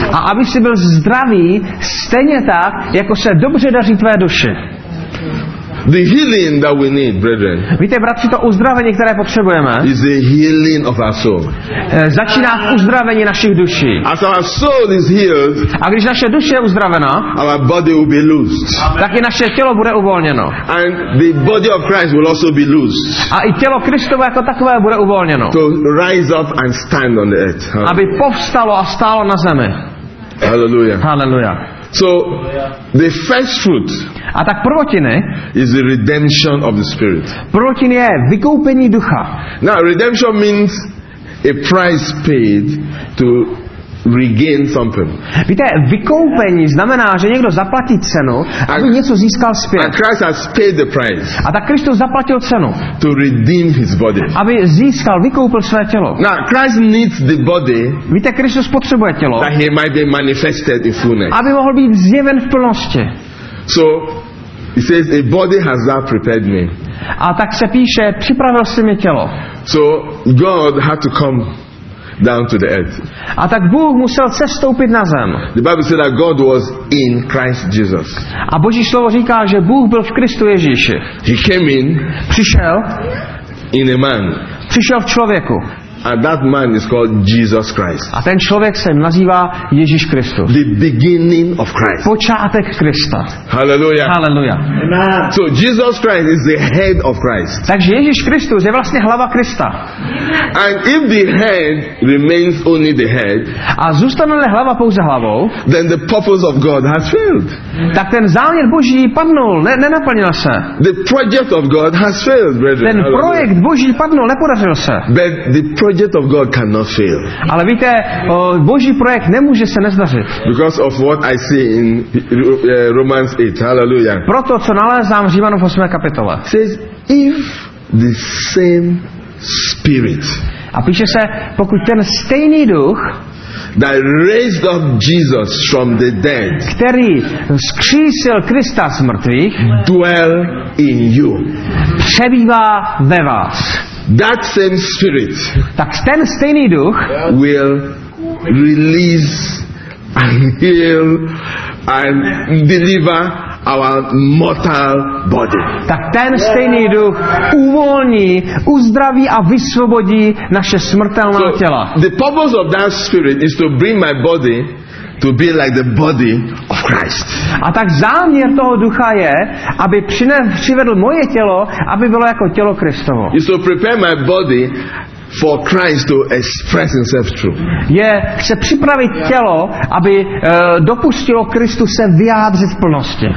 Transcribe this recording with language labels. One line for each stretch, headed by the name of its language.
Czech: A aby si byl zdravý, stejně tak, jako se dobře daří tvé duši.
English: The healing that we need, brethren.
Czech: Víte, bratři, to uzdravení, které potřebujeme.
English: Is the healing of our soul.
Czech: Začíná uzdravení našich duší.
English: As our soul is healed.
Czech: A když naše duše je uzdravena.
English: Our body will be loosed.
Czech: Tak i naše tělo bude uvolněno.
English: And the body of Christ will also be loosed.
Czech: A i tělo Kristovo jako takové bude uvolněno.
English: To rise up and stand on the earth.
Czech: Huh? Aby povstalo a stálo na zemi.
English: Hallelujah.
Czech: Hallelujah.
English: So the first fruit.
Czech: A tak prvotiny
English: is the redemption of the spirit.
Czech: Prvotiny je vykoupení ducha.
English: Now redemption means a price paid to regain something.
Czech: Víte, vykoupení znamená, že někdo zaplatí cenu, aby něco získal zpět.
English: And Christ has paid the price.
Czech: A tak Kristus zaplatil cenu.
English: To redeem his body.
Czech: Aby získal, vykoupil své tělo.
English: Now Christ needs the body.
Czech: Víte, Kristus potřebuje tělo.
English: That he might be manifested in fullness.
Czech: Aby mohl být zjeven v plnosti.
English: So he says, a body has thou prepared me.
Czech: A tak se píše, připravil jsi mi tělo.
English: So God had to come down to the earth.
Czech: A tak Bůh musel sestoupit na zem.
English: The Bible said that God was in Christ Jesus.
Czech: A Boží slovo říká, že Bůh byl v Kristu Ježíši.
English: He came in.
Czech: Přišel.
English: In a man.
Czech: Přišel v člověku.
English: And that man is called Jesus Christ.
Czech: A ten člověk se nazývá Ježíš Kristus.
English: The beginning of Christ.
Czech: Počátek Krista.
English: Hallelujah.
Czech: Hallelujah.
English: Amen. So Jesus Christ is the head of Christ.
Czech: Takže Ježíš Kristus je vlastně hlava Krista.
English: And if the head remains only the head,
Czech: a zůstane hlava pouze hlavou,
English: then the purpose of God has failed.
Czech: Tak ten záměr Boží padnul, nenaplnil se.
English: The project of God has failed, brethren.
Czech: Ten projekt Boží padnul, nepodařil se.
English: But the project of God cannot fail.
Czech: Ale víte, Boží projekt nemůže se nezdařit.
English: Because of what I see in Romans 8. Hallelujah.
Czech: Proto co nalézám v Římanům 8. kapitole.
English: Says if the same spirit.
Czech: A píše se, pokud ten stejný duch,
English: that raised up Jesus from the dead,
Czech: který vzkřísil Krista z mrtvých,
English: dwell in you.
Czech: Přebývá ve vás.
English: That same spirit,
Czech: tak ten stejný duch,
English: will release and heal and deliver our mortal body.
Czech: Tak ten stejný duch uvolní, uzdraví a vysvobodí naše smrtelná těla.
English: So the purpose of that spirit is to bring my body to be like the body of Christ.
Czech: A tak záměr toho ducha je, aby přivedl moje tělo, aby bylo jako tělo Kristovo.
English: He's to prepare my body for Christ to express himself through.
Czech: Je se připravit tělo, aby dopustilo Kristu se vyjádřit v plnosti.